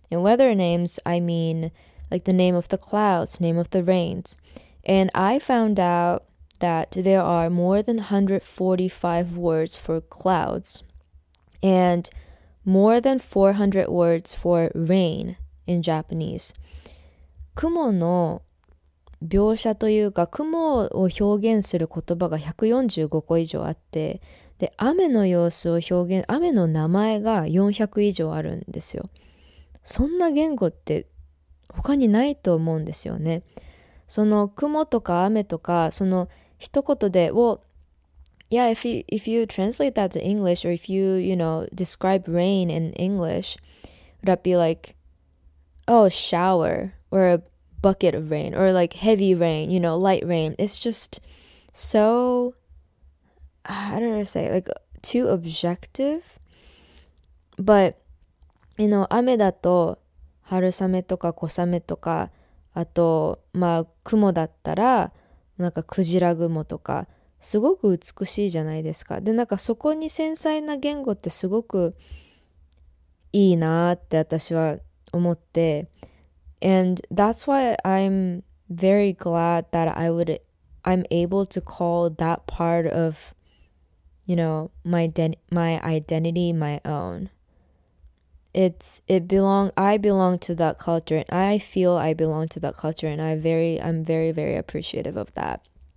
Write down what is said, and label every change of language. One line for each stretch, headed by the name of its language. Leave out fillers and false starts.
English: And weather names, I mean like the name of the clouds, name of the rains. And I found out that there are more than 145 words for clouds and more than 400 words for rain in Japanese.
Japanese: 雲の描写というか、雲を表現する言葉が145個以上あって、で、雨の様子を表現、雨の名前が400以上あるんですよ。そんな言語って他にないと思うんですよね。その雲とか雨とか、その一言で、
English: well, yeah, if you translate that to English, or if you, you know, describe rain in English, that'd be like, oh, shower, or a bucket of rain, or like heavy rain, you know, light rain. It's just so, how do I say, like too objective. But, you know,
Japanese: 雨だと春雨とか小雨とか、あと、まあ、雲だったら、なんかクジラ雲とか、すごく美しいじゃないですか。で、なんかそこに繊細な言語ってすごくいいなって私は思って。
English: And that's why I'm very glad that I'm able to call that part of, you know, my identity my own. I belong to that culture, and I feel I belong to that culture, and I'm very, very appreciative of that.